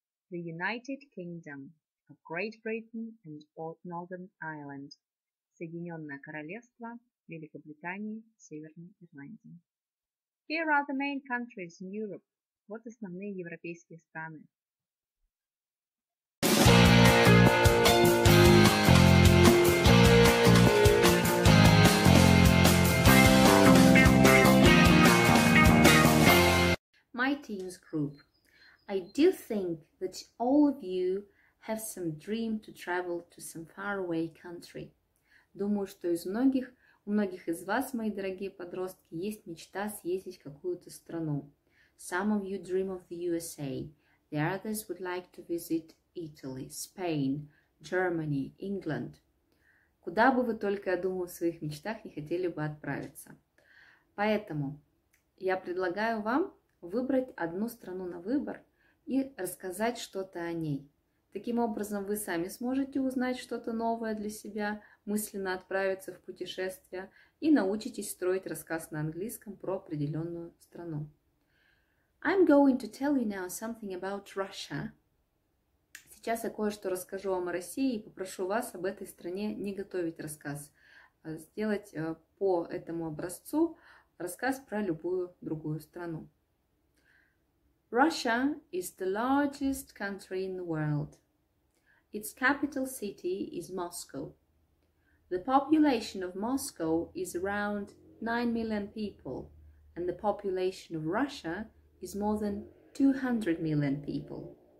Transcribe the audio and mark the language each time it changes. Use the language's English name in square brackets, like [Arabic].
[English] The United Kingdom of Great Britain and Northern Ireland. [Russian] Соединенное Королевство, Великобритания, Северной Ирландии. [English] Here are the main countries in Europe. [Russian] Вот основные европейские страны. [English] My team's group. I do think that all of you have some dream to travel to some faraway country. [Russian] Думаю, что у многих из вас, мои дорогие подростки, есть мечта съездить в какую-то страну. [English] Some of you dream of the USA. The others would like to visit Italy, Spain, Germany, England. [Russian] Куда бы вы только, я думаю, в своих мечтах не хотели бы отправиться. Поэтому я предлагаю вам выбрать одну страну на выбор и рассказать что-то о ней. Таким образом, вы сами сможете узнать что-то новое для себя, мысленно отправиться в путешествие и научитесь строить рассказ на английском про определенную страну. [English] I'm going to tell you now something about Russia. [Russian] Сейчас я кое-что расскажу вам о России и попрошу вас об этой стране не готовить рассказ, а сделать по этому образцу рассказ про любую другую страну. [English] Russia is the largest country in the world. Its capital city is Moscow. The population of Moscow is around 9 million people, and the population of Russia is more than 200 million people.